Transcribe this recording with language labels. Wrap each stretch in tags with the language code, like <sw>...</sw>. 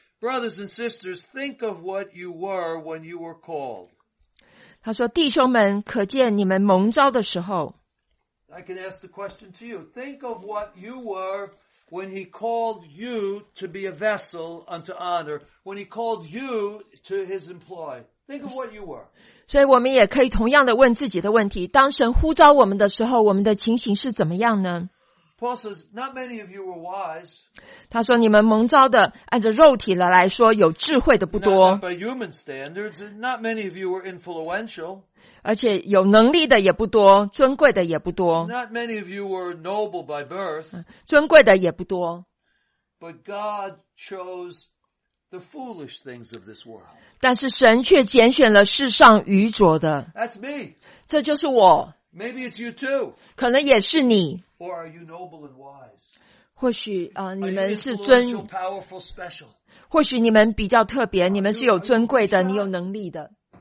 <en>Brothers and sisters, think of what you were when you were called.</en> <zh>他说弟兄们可见你们蒙召的时候。</zh> <en>I can ask the question to you. Think of what you were when he called you to be a vessel unto honor, when he called you to his employ. Think of what you were.</en> <zh>所以我们也可以同样的问自己的问题。当神呼召我们的时候，我们的情形是怎么样呢？</zh> <en>Paul says, not many of you were wise.</en> <zh>他说你们蒙召的按着肉体的来说有智慧的不多。</zh> <en>Not by human standards, not many of you were influential.</en> <zh>而且有能力的也不多，尊贵的也不多。</zh> <en>Not many of you were noble by birth.</en> <zh>尊贵的也不多。</zh> <en>But God chose the foolish things of this world.</en> <zh>但是神却拣选了世上愚拙的。</zh> <en>That's me.</en> <zh>这就是我。</zh> <en>Maybe it's you too.</en> <zh>可能也是你。</zh> <en>Or are you noble and wise?</en> <zh>或许你们是尊，或许你们比较特别，你们是有尊贵的，你有能力的。</zh>